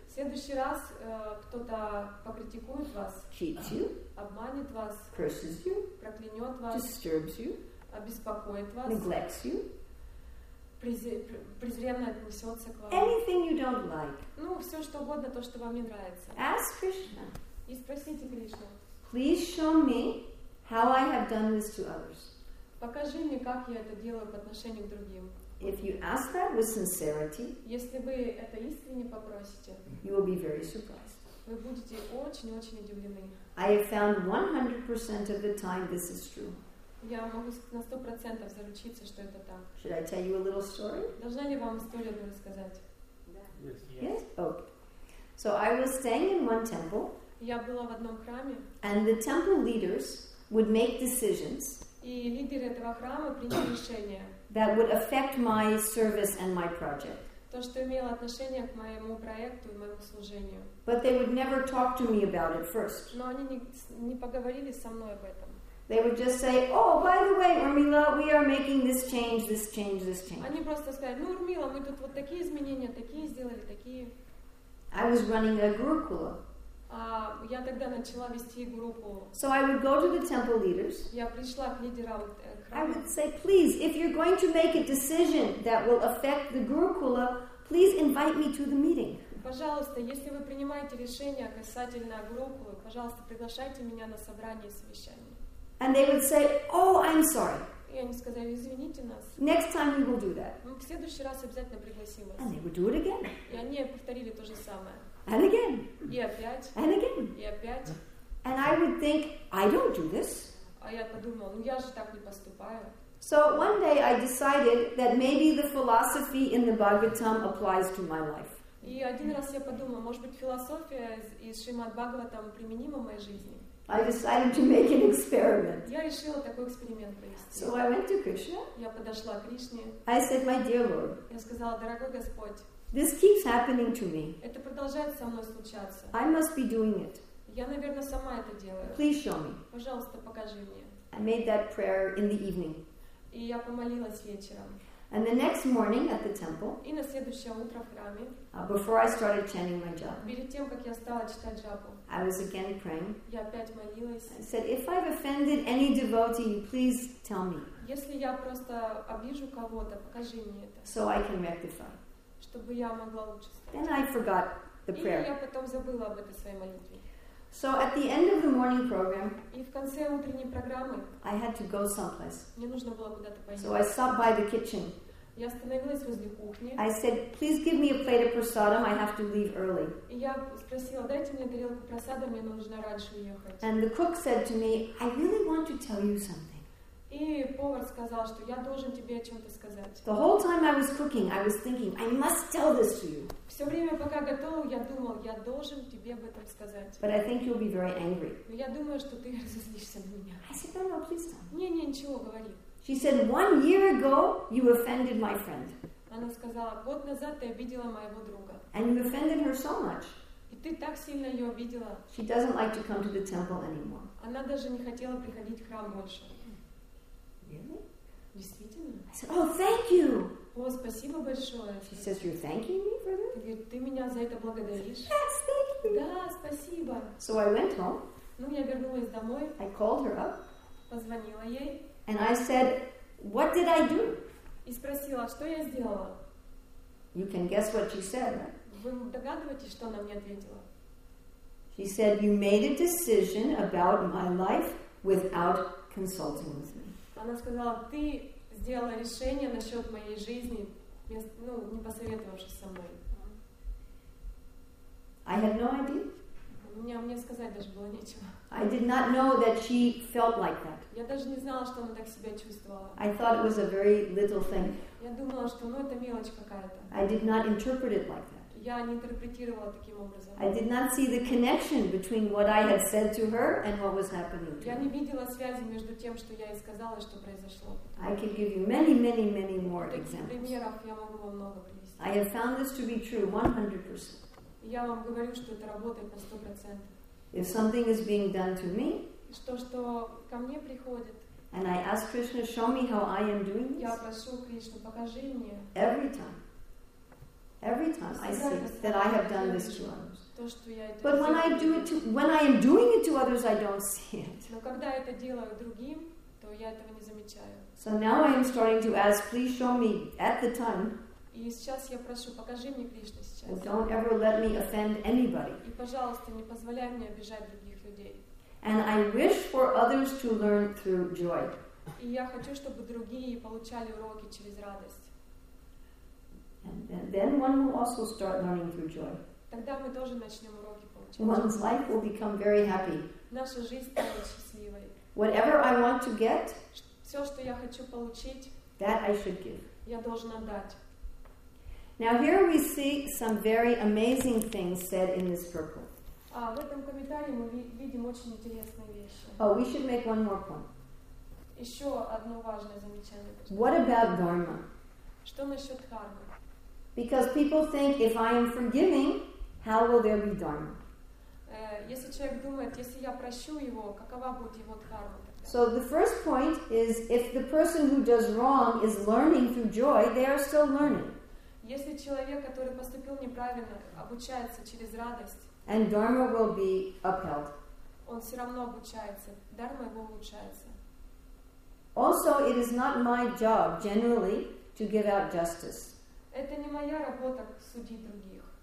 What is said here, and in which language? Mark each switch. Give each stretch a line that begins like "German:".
Russian: В следующий раз кто-то покритикует вас.
English: Cheats you.
Russian: Обманет вас.
English: Curses you.
Russian: Проклянет вас.
English: Disturbs you.
Russian: Обеспокоит вас.
English: Neglects you.
Russian: Презренно отнесется к вам.
English: Anything you don't like.
Russian: Ну, все что угодно, то, что вам не нравится.
English: Ask Krishna.
Russian: И спросите Кришну.
English: Please show me how I have done this to others.
Russian: Покажи мне, как я это делаю по отношению к другим.
English: If you ask that with sincerity,
Russian: если вы это искренне попросите,
English: you will be very surprised.
Russian: Вы будете очень-очень удивлены.
English: I have found 100% of the time this is true.
Russian: Я могу на 100% заручиться, что это так.
English: Should I tell you a little story?
Russian: Должна ли вам историю одну рассказать?
English: Yeah. Yes. Okay. So I was staying in one temple.
Russian: Я была в одном храме.
English: And the temple leaders would make decisions.
Russian: И лидеры этого храма приняли решение.
English: That would affect my service and my project.
Russian: То, что имело отношение к моему проекту и моему служению.
English: But they would never talk to me about it first.
Russian: Но они не поговорили со мной об этом.
English: They would just say, "Oh, by the way, Urmila, we are making this change, this change, this change."
Russian: Они просто сказали: "Ну, Урмила, мы тут вот такие изменения, такие сделали, такие."
English: I was running a gurukula.
Russian: Я тогда начала вести группу.
English: So I would go to the temple leaders.
Russian: Я пришла к лидерам храма.
English: I would say, "Please, if you're going to make a decision that will affect the gurukula, please invite me to the meeting."
Russian: Пожалуйста, если вы принимаете решение касательно гурукулы, пожалуйста, приглашайте меня на собрание и совещание.
English: And they would say, "Oh, I'm sorry."
Russian: И они сказали: "Извините нас."
English: Next time we will do that.
Russian: Мы в следующий раз обязательно пригласим вас.
English: And they would do it again.
Russian: И они повторили то же самое.
English: And again.
Russian: И опять.
English: And again.
Russian: И опять.
English: And I would think, "I don't do this."
Russian: А я подумала: "Ну я же так не поступаю."
English: So one day I decided that maybe the philosophy in the Bhagavatam applies to my life.
Russian: И один раз я подумала: "Может быть, философия из Шримад Бхагаватам применима в моей жизни?"
English: I decided to make an experiment.
Russian: Я решила такой эксперимент провести.
English: So I went to Krishna.
Russian: Я подошла к Кришне.
English: I said, "My dear Lord."
Russian: Я сказала: "Дорогой Господь."
English: This keeps happening to me.
Russian: Это продолжает со мной случаться.
English: I must be doing it.
Russian: Я, наверное, сама это делаю.
English: Please show me.
Russian: Пожалуйста, покажи мне.
English: I made that prayer in the evening.
Russian: И я помолилась вечером.
English: And the next morning at the temple.
Russian: И на следующее утро в храме.
English: Before I started chanting my japa.
Russian: Перед тем, как я стала читать джапу.
English: I was again praying.
Russian: Я опять молилась.
English: I said, "If I've offended any devotee, please tell me."
Russian: Если я просто обижу кого-то, покажи мне это.
English: So I can rectify.
Russian: Чтобы я могла лучше стать.
English: Then I forgot the prayer.
Russian: И я потом забыла об этой своей молитве.
English: So at the end of the morning program,
Russian: и в конце утренней программы,
English: I had to go someplace.
Russian: Мне нужно было куда-то пойти.
English: So I stopped by the kitchen.
Russian: Я остановилась возле кухни.
English: I said, "Please give me a plate of prasadam. I have to leave early."
Russian: И я спросила: "Дайте мне тарелку просада, мне нужно раньше уехать."
English: And the cook said to me, "I really want to tell you something."
Russian: И повар сказал, что я должен тебе о чем-то сказать.
English: The whole time I was cooking, I was thinking, "I must tell this to you."
Russian: Все время, пока готовил, я думал, я должен тебе об этом сказать.
English: But I think you'll be very angry.
Russian: Но я думаю, что ты разозлишься на меня.
English: I said, "No, please tell me."
Russian: Не, ничего, говори.
English: She said, "One year ago, you offended my friend."
Russian: Она сказала: "Год назад ты обидела моего друга."
English: And you offended her so much.
Russian: И ты так сильно ее обидела.
English: She doesn't like to come to the temple anymore.
Russian: Она даже не хотела приходить в храм больше.
English: Really?
Russian: Действительно?
English: I said, "Oh, thank you."
Russian: О, спасибо большое.
English: She says, "You're thanking me for that?"
Russian: Говорит: "Ты меня за это благодаришь?"
English: Yes, thank you.
Russian: Да, спасибо.
English: So I went home.
Russian: Ну, я вернулась домой.
English: I called her up.
Russian: Позвонила ей.
English: And I said, "What did I do?"
Russian: И спросила: "Что я сделала?"
English: You can guess what she said.
Russian: Вы догадываетесь, что она мне ответила?
English: She said, "You made a decision about my life without consulting with me."
Russian: Она сказала: "Ты сделала решение насчет моей жизни, ну, не посоветовавшись со мной."
English: I had no idea.
Russian: Мне сказать даже было нечего.
English: I did not know that she felt like that.
Russian: Я даже не знала, что она так себя чувствовала.
English: I thought it was a very little thing.
Russian: Я думала, что, ну, это мелочь какая-то.
English: I did not interpret it like that.
Russian: Я не интерпретировала таким образом.
English: I did not see the connection between what I had said to her and what was happening.
Russian: Я не видела связи между тем, что я ей сказала, и что произошло.
English: I can give you many, many, many more examples.
Russian: Таких примеров я могу вам много привести.
English: I have found this to be true 100%.
Russian: Я вам говорю, что это работает на 100%.
English: If something is being done to me,
Russian: что ко мне приходит.
English: And I ask Krishna, show me how I am doing this.
Russian: Я прошу Кришну, покажи мне.
English: Every time I see that I have done this to others.
Russian: То, что я это.
English: But when I do it to, when I am doing it to others, I don't see it.
Russian: Но когда это делаю другим, то я этого не замечаю.
English: So now I am starting to ask, please show me at the time.
Russian: И сейчас я прошу, покажи мне Кришну сейчас.
English: And don't ever let me offend anybody.
Russian: И пожалуйста, не позволяй мне обижать других людей.
English: And I wish for others to learn through joy.
Russian: И я хочу, чтобы другие получали уроки через радость.
English: And then one will also start learning through joy.
Russian: Тогда мы тоже начнем уроки получать.
English: One's life will become very happy.
Russian: Наша жизнь станет счастливой.
English: Whatever I want to get,
Russian: все, что я хочу получить,
English: that I should give.
Russian: Я должен отдать.
English: Now here we see some very amazing things said in this purport.
Russian: В этом комментарии мы видим очень интересные вещи.
English: Oh, we should make one more point.
Russian: Еще одно важное замечание.
English: What about dharma?
Russian: Что насчет кармы?
English: Because people think if I am forgiving, how will there be dharma?
Russian: Если человек думает, если я прощу его, какова будет его карма?
English: So the first point is if the person who does wrong is learning through joy, they are still learning.
Russian: Если человек, который поступил неправильно, обучается через радость.
English: And dharma will be upheld.
Russian: Он все равно обучается. Дарма его улучшается.
English: Also, it is not my job generally to give out justice.
Russian: Это не моя работа судить других.